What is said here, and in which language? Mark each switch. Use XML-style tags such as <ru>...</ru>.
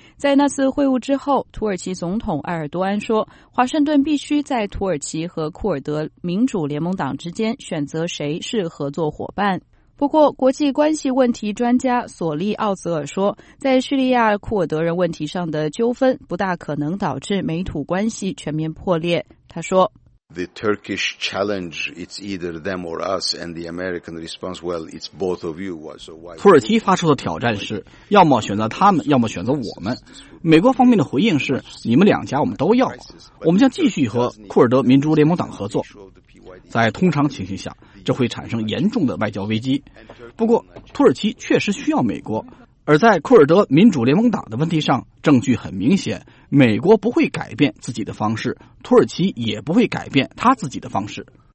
<zh>在那次会晤之后，土耳其总统埃尔多安说，华盛顿必须在土耳其和库尔德民主联盟党之间选择谁是合作伙伴。不过，国际关系问题专家索利·奥泽尔说，在叙利亚库尔德人问题上的纠纷不大可能导致美土关系全面破裂。他说</zh> <en>：“The Turkish challenge, it's either them or us, and the American response, well, it's both of you.”</en> <zh>土耳其发出的挑战是，要么选择他们，要么选择我们。美国方面的回应是，你们两家我们都要，我们将继续和库尔德民主联盟党合作。在通常情形下，这会产生严重的外交危机。不过，土耳其确实需要美国，而在库尔德民主联盟党的问题上，证据很明显，美国不会改变自己的方式，土耳其也不会改变他自己的方式。</zh>